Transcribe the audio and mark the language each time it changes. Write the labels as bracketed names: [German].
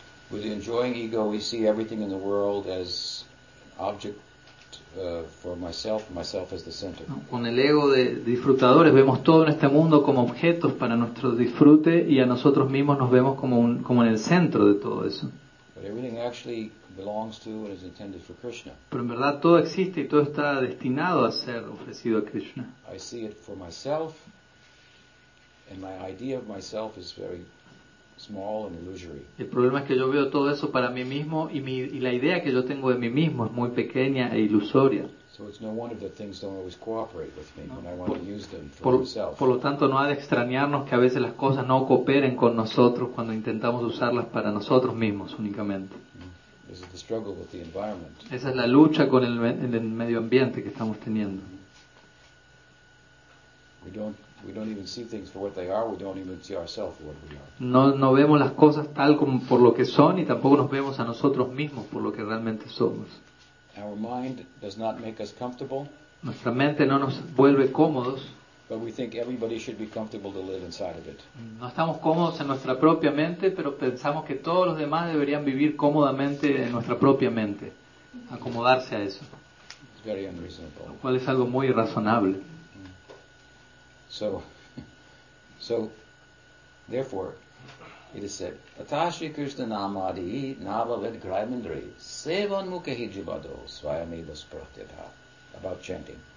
[English] With the enjoying ego, we see everything in the world as an object for myself, myself as the center. [Spanish] Con el ego de disfrutadores vemos todo en este mundo como objetos para nuestro disfrute y a nosotros mismos nos vemos como en el centro de todo eso. [English] But everything actually belongs to and is intended for Krishna. [Spanish] Pero en verdad todo existe y todo está destinado a ser ofrecido a Krishna. [English] I see it for myself, and my idea of myself is very small and illusory. [Spanish] El problema es que yo veo todo eso para mí mismo y la idea que yo tengo de mí mismo es muy pequeña e ilusoria. [English] So it's no wonder that things don't always cooperate with me when I want to use them for myself. [Spanish] Por lo tanto, no ha de extrañarnos que a veces las cosas no cooperen con nosotros cuando intentamos usarlas para nosotros mismos únicamente. [English] This is the struggle with the environment. [Spanish] Esa es la lucha con el medio ambiente que estamos teniendo. [English] We don't even see things for what they are. We don't even see ourselves for what we are. [Spanish] No vemos las cosas tal como por lo que son y tampoco nos vemos a nosotros mismos por lo que realmente somos. [English] Our mind does not make us comfortable. [Spanish] Nuestra mente no nos vuelve cómodos. [English] But we think everybody should be comfortable to live inside of it. [Spanish] No estamos cómodos en nuestra propia mente, pero pensamos que todos los demás deberían vivir cómodamente en nuestra propia mente, acomodarse a eso. [English] It's very unreasonable. [Spanish] Lo cual es algo muy irrazonable. [English] So therefore it is said [Sanskrit] Atashri Krishna Namadi Navavid Graimandri Sevan Mukahi Jibado Swayamiva Spratyadha, [English] about chanting.